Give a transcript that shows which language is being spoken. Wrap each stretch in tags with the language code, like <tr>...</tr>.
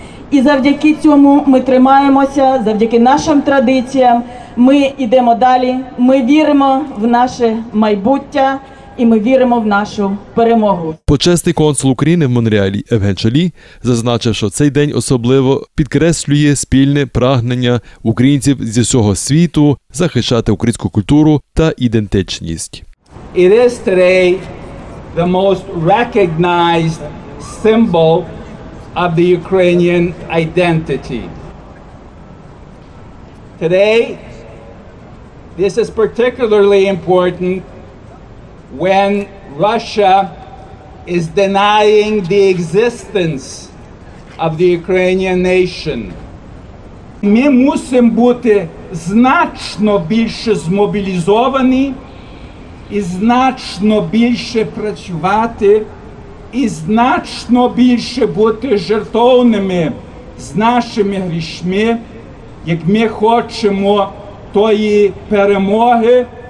<uk>І завдяки цьому ми тримаємося, завдяки нашим традиціям, ми йдемо далі, ми віримо в наше майбуття і ми віримо в нашу перемогу. Почесний консул України в Монреалі Евген Чолі зазначив, що цей день особливо підкреслює спільне прагнення українців зі всього світу захищати українську культуру та ідентичність.</uk> <en>It is today the most recognized symbol of the Ukrainian identity. Today this is particularly important when Russia is denying the existence of the Ukrainian nation.</en> <uk>Ми мусимо бути значно більше змобілізовані і значно більше працювати і значно більше бути жертовними з нашими грішми, як ми хочемо тої перемоги.</uk>